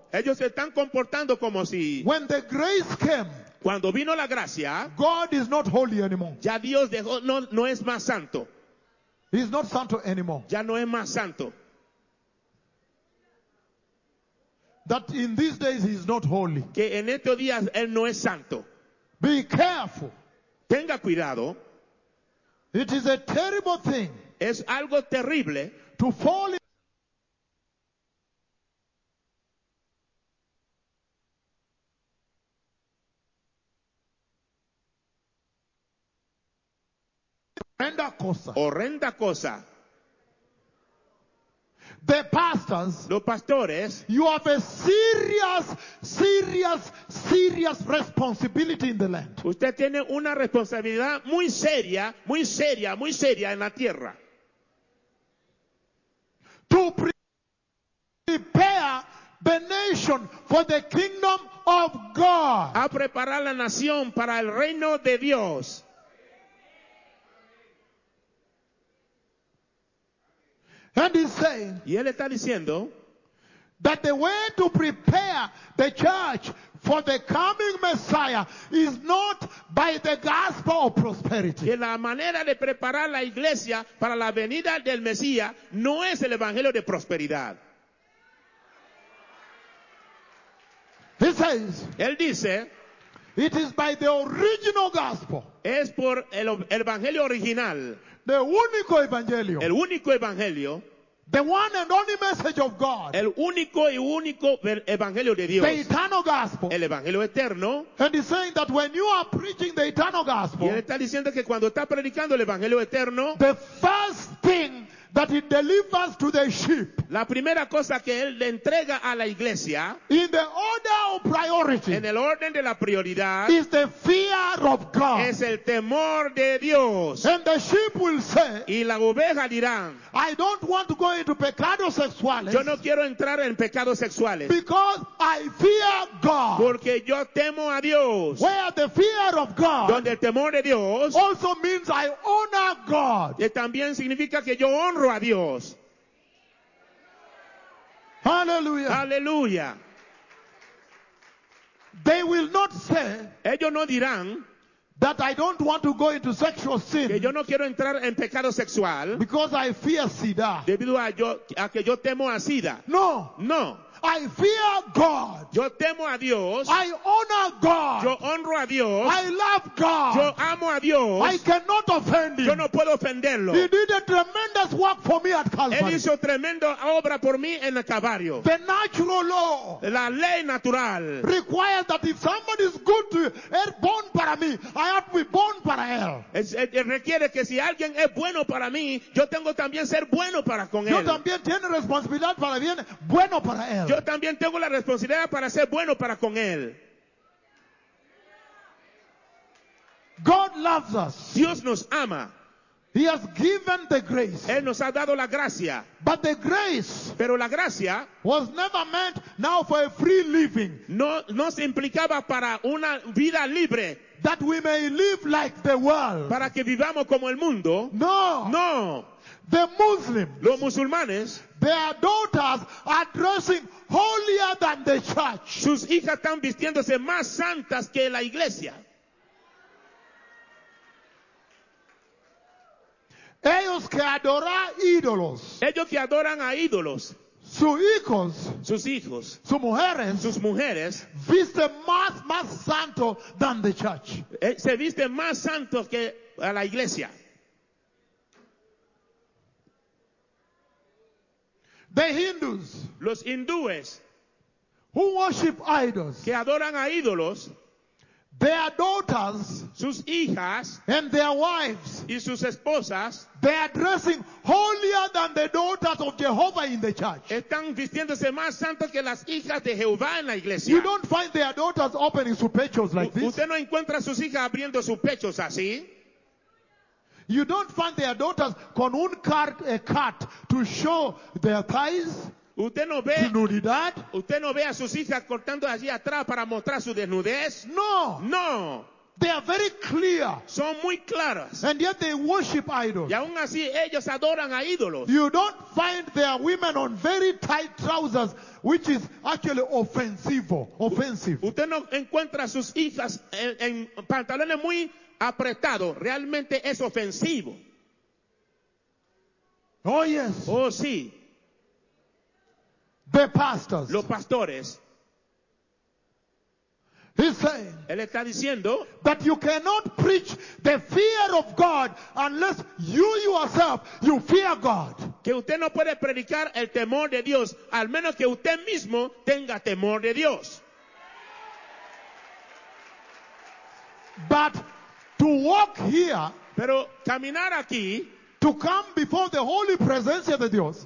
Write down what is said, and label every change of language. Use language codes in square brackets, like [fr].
[es] ellos se están comportando como si, [en] when the grace came, [es] cuando vino la gracia, [en] God is not holy anymore. [es] Ya Dios dejó, no es más santo. [en] He is not santo anymore. [es] Ya no es más santo. [en] That in these days he is not holy. [es] Que en estos días él no es santo. [en] Be careful. [es] Tenga cuidado. [en] It is a terrible thing. [es] Es algo terrible. [en] To fall in. [es] Horrenda cosa. Horrenda cosa. [en] The pastors, [es] los pastores, [en] you have a serious, serious, serious responsibility in the land. [es] Usted tiene una responsabilidad muy seria, muy seria, muy seria en la tierra. [en] To prepare the nation for the kingdom of God. [es] A preparar la nación para el reino de Dios. [en] And he's saying, [es] y él está diciendo, [en] that the way to prepare the church for the coming Messiah is not by the gospel of prosperity. [es] Que la manera de preparar la iglesia para la venida del Mesías no es el evangelio de prosperidad. [en] He says, [es] él dice, [en] it is by the original gospel. [es] Es por el evangelio original. The único evangelio. El único evangelio. [en] The one and only message of God. [es] El único y único evangelio de Dios. [en] The eternal gospel. [es] El evangelio eterno. [en] And he's saying that when you are preaching the eternal gospel, [es] y él está diciendo que cuando está predicando el evangelio eterno, [en] the first thing that it delivers to the sheep, [es] la primera cosa que él le entrega a la iglesia, [en] in the order of priority, [es] en el orden de la prioridad, [en] is the fear of God, [es] es el temor de Dios. [en] And the sheep will say, [es] y la oveja dirán, [en] I don't want to go into [es] pecados sexuales, yo no quiero entrar en pecados sexuales, [en] because I fear God, [es] porque yo temo a Dios. [en] Where the fear of God, [es] donde el temor de Dios, [en] also means I honor God, [es] que también significa que yo honro a Dios. Hallelujah. Hallelujah. [en] They will not say, [es] ellos no dirán, [en] that I don't want to go into sexual sin, [es] que yo no quiero entrar en pecado sexual, [en] because I fear SIDA, [es] debido a que yo temo a SIDA. [en] No. [es] No. [en] I fear God. [es] Yo temo a Dios. [en] I honor God. [es] Yo honro a Dios. [en] I love God. [es] Yo amo a Dios. [en] I cannot offend him. [es] Yo no puedo ofenderlo. [en] He did a tremendous work for me at Calvary. [es] Él hizo tremenda obra por mí en el Calvario. [en] The natural law, [es] la ley natural, [en] requires that if somebody is good to you, born [es] para mí, [en] I have to be born [es] para él. Requiere que si alguien es bueno para mí, yo tengo también ser bueno para con él. Yo también tiene responsabilidad para bien, bueno para él. Yo también tengo la responsabilidad para ser bueno para con él. [en] God loves us. [es] Dios nos ama. [en] He has given the grace. [es] Él nos ha dado la gracia. [en] But the grace, [es] pero la gracia, [en] was never meant now for a free living. [es] No, no se implicaba para una vida libre. [en] That we may live like the world. [es] Para que vivamos como el mundo. [en] No. [es] No. [en] The Muslims, [es] los musulmanes, [en] their daughters are dressing holier than the church. [es] Sus hijas están vistiéndose más santas que la iglesia. Ellos que adoran ídolos. Ellos que adoran a ídolos. Sus hijos, sus mujeres, visten más santo [en] than the church. [es] Se visten más santos que a la iglesia. [en] The Hindus, [es] los hindúes, [en] who worship idols, [es] que adoran a ídolos, [en] their daughters, [es] sus hijas, [en] and their wives, [es] y sus esposas, [en] they are dressing holier than the daughters of Jehovah in the church. [es] Están vistiéndose más santos que las hijas de Jehová en la iglesia. [en] You don't find their daughters opening [es] sus pechos [en] like this. [es] Usted no encuentra sus hijas abriendo sus pechos así. [en] You don't find their daughters [es] con un [en] cart, a cart to show their thighs. [es] Usted no ve, su nudidad. Usted no ve a sus hijas cortando allí atrás para mostrar su desnudez. [en] No. [es] No. [en] They are very clear. [es] Son muy claras. [en] And yet they worship idols. [es] Y aún así ellos adoran a ídolos. [en] You don't find their women on very tight trousers, which is actually offensive. [es] Usted no encuentra a sus hijas en pantalones muy apretado, realmente es ofensivo. [en] Oh yes. [es] Oh sí. [en] The pastors. [es] Los pastores. [en] He's saying. [es] Él está diciendo. [en] That you cannot preach the fear of God unless you yourself you fear God. [es] Que usted no puede predicar el temor de Dios al menos que usted mismo tenga temor de Dios. [en] But to walk here, [es] pero caminar aquí, [en] to come before the holy [es] presencia de Dios,